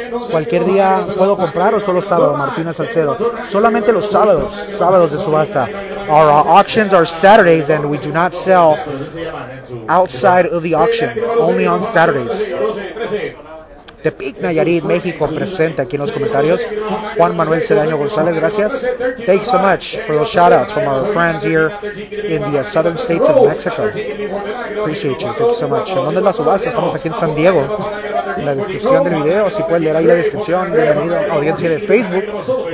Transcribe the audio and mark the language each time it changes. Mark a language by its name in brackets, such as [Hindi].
[Spanish] Cualquier día puedo comprar o solo sábado, Martínez Salcedo. Solamente los sábados. Sábados de subasta. [English] Our auctions are Saturdays and we do not sell outside of the auction. Only on Saturdays. [Spanish] Tepic, Nayarit, México, presente aquí en los comentarios. Juan Manuel Cedaño González, gracias. [English] Thank you so much for those shout-outs from our friends here in the southern states of Mexico. Appreciate you. Thank you so much. [Spanish] ¿En dónde es la subasta? Estamos aquí en San Diego. En la descripción del video, si puedes leer ahí la descripción, bienvenido a la audiencia de Facebook.